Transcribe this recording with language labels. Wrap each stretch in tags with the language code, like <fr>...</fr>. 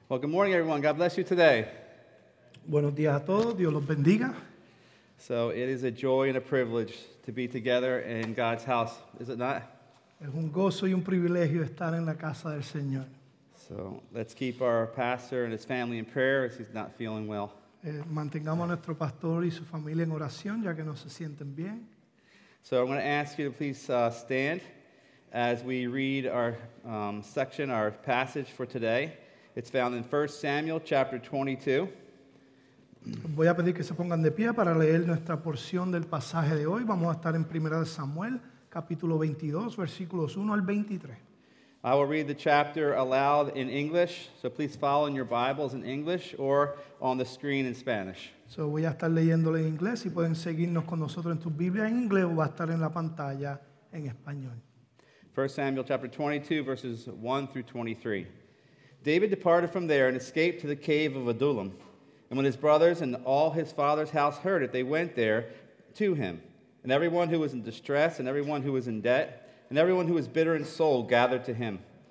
<en>Well, good morning, everyone. God bless you today.</en> <es>Buenos días a todos. Dios los bendiga.</es> <en>So it is a joy and a privilege to be together in God's house, is it not?</en> <es>Es un gozo y un privilegio estar en la casa del Señor.</es> <en>So let's keep our pastor and his family in prayer as he's not feeling well.</en> <es>Mantengamos a nuestro pastor y su familia en oración ya que no se sienten bien.</es> <en>So I'm going to ask you to please stand as we read our section, our passage for today. It's found in 1 Samuel chapter 22.</en> <es>Voy a pedir que se pongan de pie para leer nuestra porción del pasaje de hoy. Vamos a estar en 1 Samuel capítulo 22, versículos 1 al 23.</es> <en>I will read the chapter aloud in English, so please follow in your Bibles in English or on the screen in Spanish.</en> <es>So voy a estar leyéndolo en inglés y pueden seguirnos con nosotros en tu Biblia en inglés o va a estar en la pantalla en español.</es> <en>1 Samuel chapter 22, verses 1 through 23. David departed from there and escaped to the cave of Adullam. And when his brothers and all his father's house heard it, they went there to him. And everyone who was in distress and everyone who was in debt and everyone who was bitter in soul gathered to him.</en>